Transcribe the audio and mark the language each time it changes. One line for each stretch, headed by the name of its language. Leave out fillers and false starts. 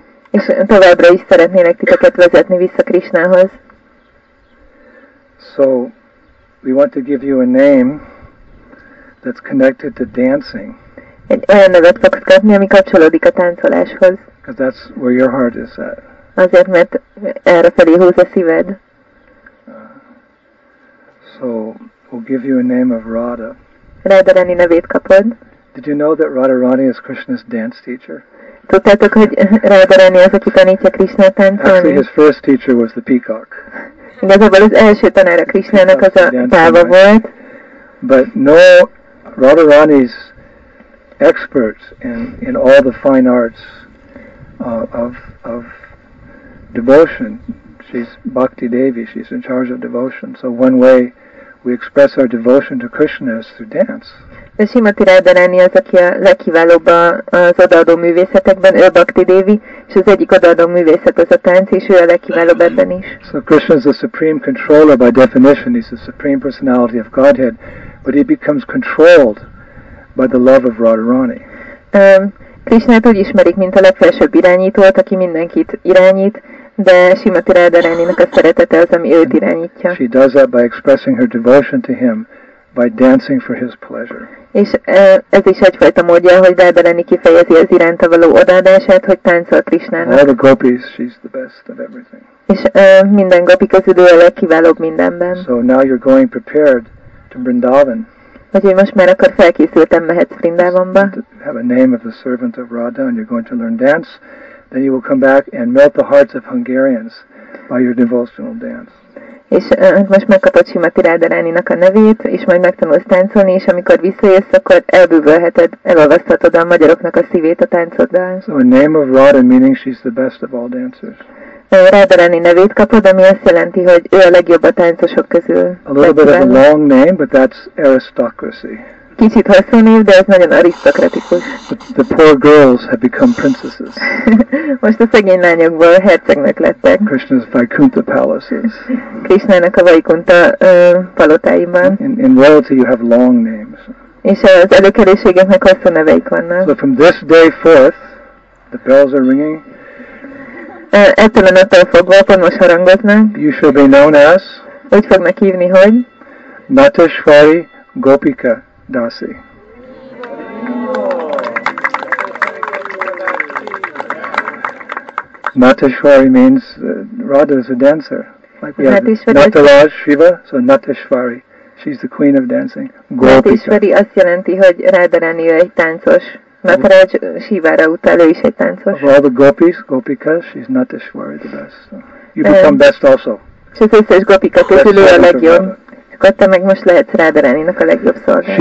Hungarian: És továbbra is szeretnének titeket vezetni vissza Krishnához.
English: So, we want to give you a name that's connected to dancing.
Hungarian: Egy olyan nevet fogsz kapni, ami kapcsolódik a táncoláshoz.
English: Because that's where your heart is at.
Hungarian: Azért, mert erre felé húz a szíved.
English: So, we'll give you a name of Radha.
Hungarian: Radharani nevét kapod.
English: Did you know that Radharani is Krishna's dance teacher?
Hungarian: Tudtátok, hogy Radharani az, aki tanítja Krishna táncolni?
English: Actually, his first teacher was the peacock.
Hungarian: Igazából az első tanára Krishnának az a páva volt.
English: But no, Radharani's expert in all the fine arts of devotion. She's Bhakti Devi. She's in charge of devotion. So one way we express our devotion to Krishna is through dance.
Hungarian: De Srimati Radharani az, aki a legkiválóbb az odaadó művészetekben, ő Bhakti Devi, és az egyik odaadó művészet az a tánc, és ő a legkiválóbb ebben is.
English: So Krishna is the supreme controller by definition. He's the supreme personality of Godhead, but he becomes controlled by the love of Radharani.
Hungarian: Krishnát úgy ismerik, mint a legfelsőbb irányítót, aki mindenkit irányít, de Srimati Radharaninak a szeretete az, ami őt irányítja.
English: She does that by expressing her devotion to him by dancing for his pleasure.
Hungarian: És ez is egyfajta módja, hogy Radharani kifejezi az iránta való odaadását, hogy táncol Krishnának.
English: All the gopis, she's the best of everything.
Hungarian: És minden gopi közül ő a legkiválóbb mindenben.
English: So now you're going prepared to Vrindavan.
Hungarian: Vagy hogy most már akkor felkészültem, mehetsz Vrindavanba.
English: Have a name of the servant of Radha and you're going to learn dance. Then you will come back and melt the hearts of Hungarians by your devotional dance.
Hungarian: És most megkapod Srimati Radharaninak a nevét, és majd megtanulsz táncolni, és amikor visszajössz, akkor elbűvölheted, elolvasztatod a magyaroknak a szívét a táncoddal.
English: So a name of Radha meaning she's the best of all dancers.
Hungarian: Radharani nevét kapod, ami azt jelenti, hogy ő a legjobb a táncosok közül.
English: A little bit of a long name, but that's aristocracy.
Hungarian: Kicsit hosszú név, de ez nagyon arisztokratikus.
English: The poor girls have become princesses.
Hungarian: Most a szegény lányokból hercegnek lettek.
English: Krishna's Vaikuntha palaces.
Hungarian: Krishnának a Vaikuntha palotáiban.
English: In royalty you have long names.
Hungarian: És az előkelőségeknek hosszú neveik vannak.
English: So from this day forth, the bells are ringing.
Hungarian: Ettől a naptól fogva, most harangoznak.
English: You shall be known as.
Hungarian: Úgy fognak hívni, hogy? Nateshwari Gopika Dasi.
English: Nateshwari means Radha is a dancer. Nataraj Shiva, so Nateshwari. She's the queen of dancing.
Hungarian: Nateshwari azt jelenti, hogy Radharani egy táncos. Nataraj Shivára utal, ő is egy táncos.
English: Of all the gopis, gopika, she's Nateshwari the best. You become best also.
Hungarian: És az összes gopika közül ő a legjobb. Akkor te meg most lehetsz Radharaninak a legjobb szolgálat.